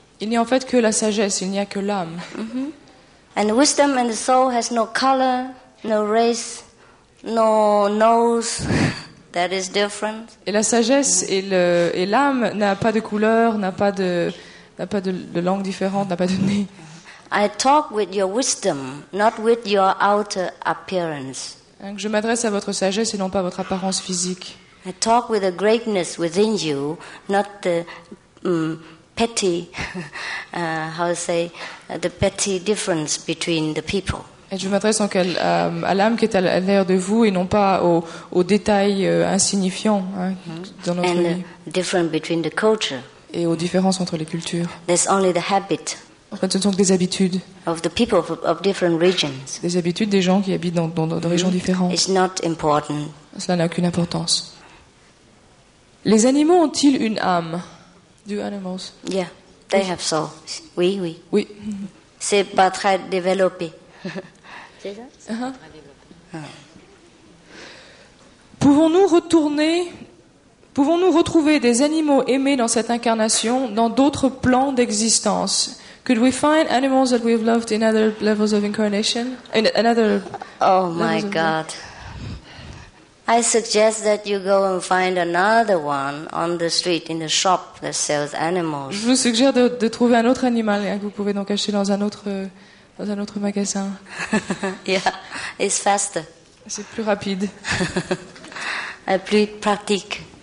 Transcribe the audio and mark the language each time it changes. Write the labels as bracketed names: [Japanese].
[French] Il n'y a en fait que la sagesse, il n'y a que l'âme. Mm-hmm. [English] And the wisdom and the soul has no color, no race, no nose. That is different. [French] Et la sagesse et l'âme n'a pas de couleur, n'a pas de langue différente, n'a pas de nez. [English] I talk with your wisdom, not with your outer appearance. [French] Donc je m'adresse à votre sagesse et non pas à votre apparence physique. [English] I talk with the greatness within you, not the petty, the petty difference between the people. [French] Et je m'adresse donc à l'âme qui est à l'intérieur de vous et non pas aux détails insignifiants, hein, dans notre [English] and [French] vie. [English] And difference between the culture. [French] Et aux différences entre les cultures. [English] There's only the habit. [French] En fait, ce ne sont que des habitudes. [English] Of the people of different regions. [French] Des habitudes des gens qui habitent dans des régions différentes. [English] It's not important. [French] Cela n'a aucune importance. Les animaux ont-ils une âme? [English] Do animals? Yeah, they have soul. [French] Oui, oui. Oui. C'est pas très développé. C'est ça? C'est Pouvons-nous retrouver des animaux aimés dans cette incarnation dans d'autres plans d'existence? [English] Could we find animals that we've loved in other levels of incarnation? In another. Oh my God. I suggest that you go and find another one on the street in the shop that sells animals. [French] Je vous suggère de trouver un autre animal hein, que vous pouvez donc acheter dans un autre magasin. [English] Yeah, it's faster. [French] C'est plus rapide. Et plus pratique.